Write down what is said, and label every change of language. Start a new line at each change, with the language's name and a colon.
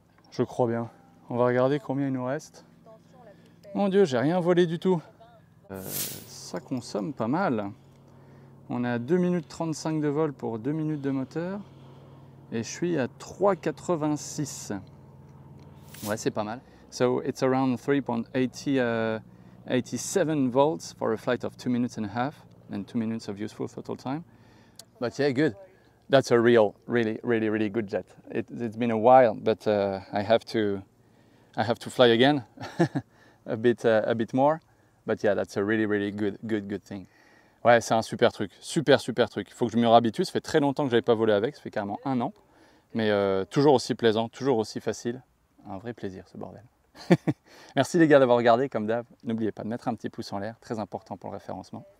French: Je crois bien. On va regarder combien il nous reste. Mon Dieu, j'ai rien volé du tout. Ça consomme pas mal. On a 2 minutes 35 de vol pour 2 minutes de moteur. Et je suis à 3,86. Ouais, c'est pas mal.
English: So it's around 3.87 volts for a flight of 2 minutes and a half. And 2 minutes of useful total time. But yeah, good. That's a real, really, really, really good jet. It's been a while, but I have to fly again a bit more. But yeah, that's a really, really good thing.
French: Ouais, c'est un super truc, super truc. Il faut que je me réhabitue. Ça fait très longtemps que j'avais pas volé avec. Ça fait carrément un an, mais toujours aussi plaisant, toujours aussi facile. Un vrai plaisir, ce bordel. Merci les gars d'avoir regardé, comme d'hab. N'oubliez pas de mettre un petit pouce en l'air, très important pour le référencement.